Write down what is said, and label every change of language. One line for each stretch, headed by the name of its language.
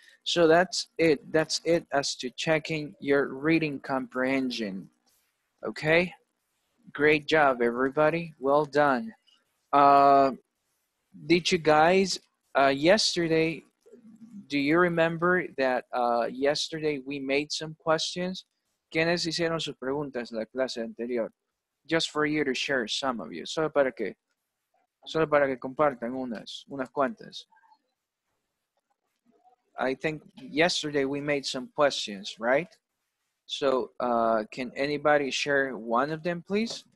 English: So that's it as to checking your reading comprehension. Okay, great job, everybody. Well done. Did you guys, yesterday, do you remember that yesterday we made some questions?
Spanish: ¿Quiénes hicieron sus preguntas en la clase anterior?
English: Just for you to share some of you.
Spanish: Solo para que compartan unas cuantas.
English: I think yesterday we made some questions, right? So, can anybody share one of them, please?